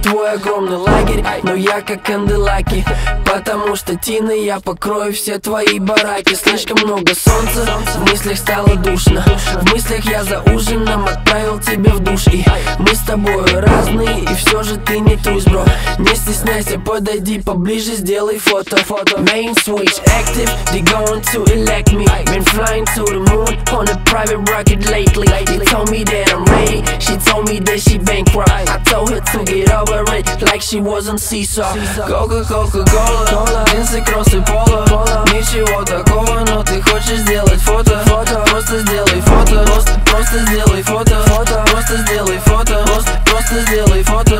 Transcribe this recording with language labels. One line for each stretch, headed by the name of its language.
Russian: Твой огромный лагерь, но я как Кандилаки. Потому что тины я покрою все твои бараки. Слишком много солнца, в мыслях стало душно. В мыслях я за ужином отправил тебя в душ. И мы с тобой разные, и все же ты не трусь, бро. Не стесняйся, подойди поближе, сделай фото.
English: Main switch active, they going to elect me. Been flying to the moon on a private rocket. Lately, they told me that I'm ready. She told me that she bankrupt. I told her to get over it, like she was on Seesaw.
Russian: Coca-Cola, jeans и кроссы пола. Ничего такого, но ты хочешь сделать фото. Просто сделай фото, просто сделай фото. Просто сделай фото, просто сделай фото.